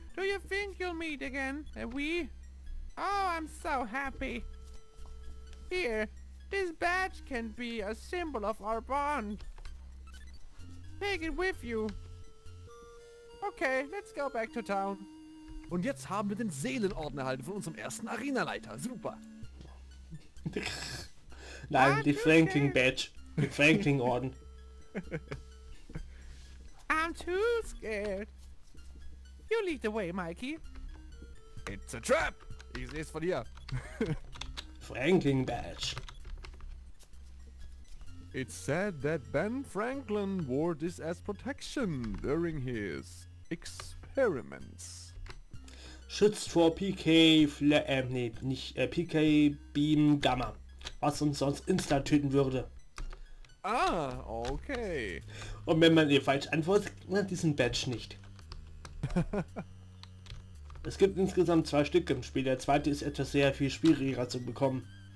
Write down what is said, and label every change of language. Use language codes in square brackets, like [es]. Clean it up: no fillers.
[en] Do you think you'll meet again? Oh, I'm so happy. Here, this badge can be a symbol of our bond. Take it with you. Okay, let's go back to town. [de] Und jetzt haben wir den Seelenorden erhalten von unserem ersten Arenaleiter. Super. Nein, die Franklin Badge. Die Franklin Orden. [en] I'm too scared. You lead the way, Mikey. It's a trap! [de] Ich sehe es von hier. [en] Franklin Badge. It's said that Ben Franklin wore this as protection during his experiments. [de] Schützt vor PK PK Beam Gamma, was uns sonst insta töten würde. Ah, okay. Und wenn man ihr falsch antwortet, dann diesen Badge nicht. Es gibt insgesamt 2 Stück im Spiel. Der zweite ist etwas sehr viel schwieriger zu bekommen.